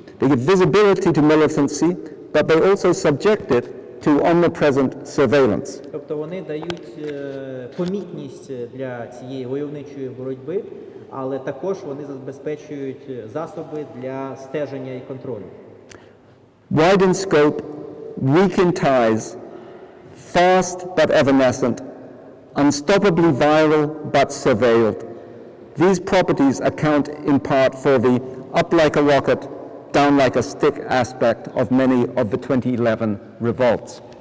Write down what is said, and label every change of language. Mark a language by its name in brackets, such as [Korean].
[English] They give visibility to militancy, but they also subject it to omnipresent surveillance. [Ukrainian] Тобто вони дають помітність для цієї войовничої боротьби, але також вони забезпечують засоби для стеження і контролю. [English] Wide in scope, weak in ties, fast but evanescent, unstoppably viral but surveilled. These properties account in part for the up like a rocket, down like a stick aspect of many of the 2011 revolts.